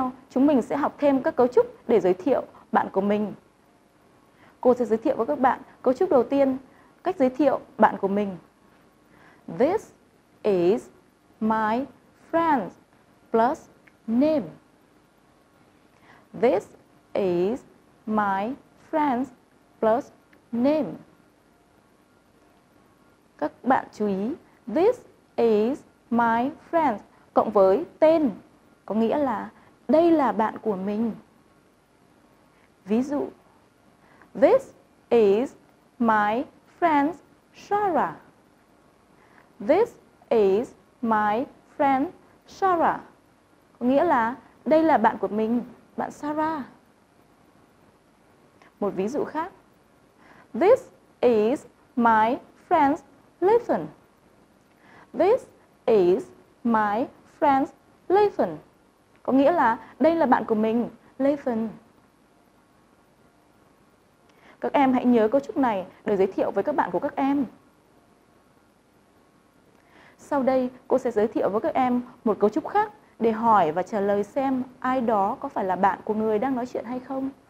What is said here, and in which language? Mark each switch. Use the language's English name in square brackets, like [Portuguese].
[Vietnamese] chúng mình sẽ học thêm các cấu trúc để giới thiệu bạn của mình. Cô sẽ giới thiệu với các bạn cấu trúc đầu tiên, cách giới thiệu bạn của mình. [English] This is my friend plus name. This is my friend plus name. [Vietnamese] Các bạn chú ý, [English] this is my friend [Vietnamese] cộng với tên có nghĩa là đây là bạn của mình. Ví dụ, [English] this is my friend Sarah. This is my friend Sarah. [Vietnamese] Có nghĩa là đây là bạn của mình, bạn Sarah. Một ví dụ khác. [English] This is my friend Lathan. This is my friend Lathan. [Vietnamese] Có nghĩa là đây là bạn của mình, Lathan. Các em hãy nhớ cấu trúc này để giới thiệu với các bạn của các em. Sau đây, cô sẽ giới thiệu với các em một cấu trúc khác để hỏi và trả lời xem ai đó có phải là bạn của người đang nói chuyện hay không.